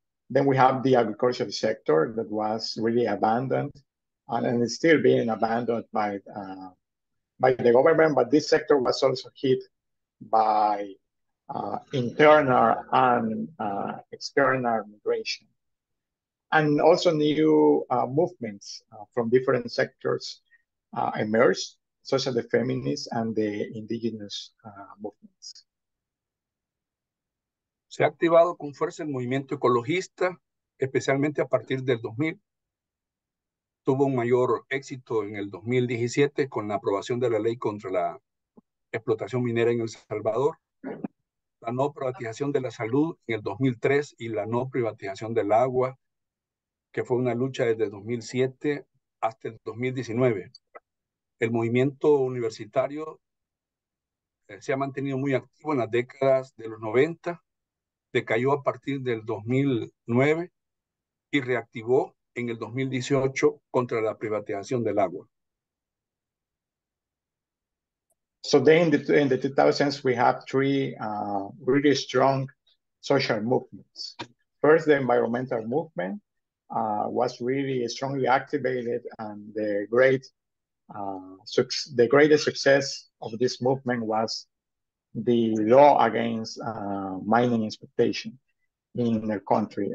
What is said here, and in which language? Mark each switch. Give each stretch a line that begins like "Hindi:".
English: Then we have the agricultural sector that was really abandoned and is still being abandoned by the government, but this sector was also hit by internal and external migration. And also new movements from different sectors emerged, such as the feminist and the indigenous movements.
Spanish: Se ha activado con fuerza el movimiento ecologista, especialmente a partir del 2000. Tuvo un mayor éxito en el 2017 con la aprobación de la ley contra la explotación minera en El Salvador, la no privatización de la salud en el 2003 y la no privatización del agua, que fue una lucha desde 2007 hasta el 2019. El movimiento universitario se ha mantenido muy activo en las décadas de los 90, decayó a partir del 2009 y reactivó en el 2018 contra la privatización del agua.
English: So then in the 2000s, we have three really strong social movements. First, the environmental movement was really strongly activated, and the greatest success of this movement was the law against mining exploitation in the country.